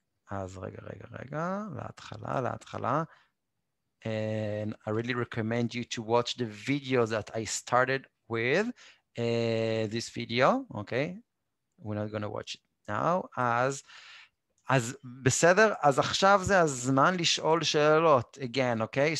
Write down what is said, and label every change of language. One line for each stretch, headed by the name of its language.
Hebrew: אז רגע, רגע, רגע, להתחלה, להתחלה.
English: And I really recommend you to watch the video that I started with, this video, okay? We're not going to watch it. Now, as
Hebrew: בסדר, אז עכשיו זה הזמן לשאול שאלות
English: again, okay?